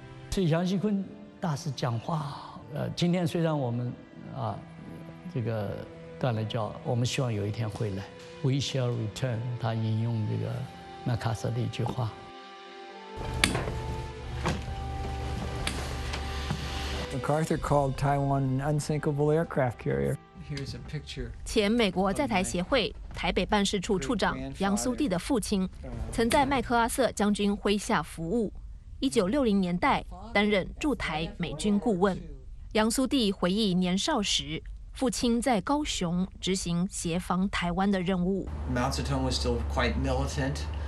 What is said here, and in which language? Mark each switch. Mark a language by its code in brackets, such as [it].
[zh] 所以杨锡坤大师讲话，今天虽然我们啊这个断了交，我们希望有一天回来 ， [en] We shall return。 [zh] 他引用这个麦卡瑟的一句话。 [en] MacArthur called Taiwan an unsinkable aircraft carrier. Here's a picture. [zh] 前美国在台协会台北办事处处长杨苏弟的父亲，曾在麦克阿瑟将军麾下服务，1960年代担任驻台美军顾问。杨苏弟回忆年少时，父亲在高雄执行协防台湾的任务。 [en] Mao Zedong was still quite militant.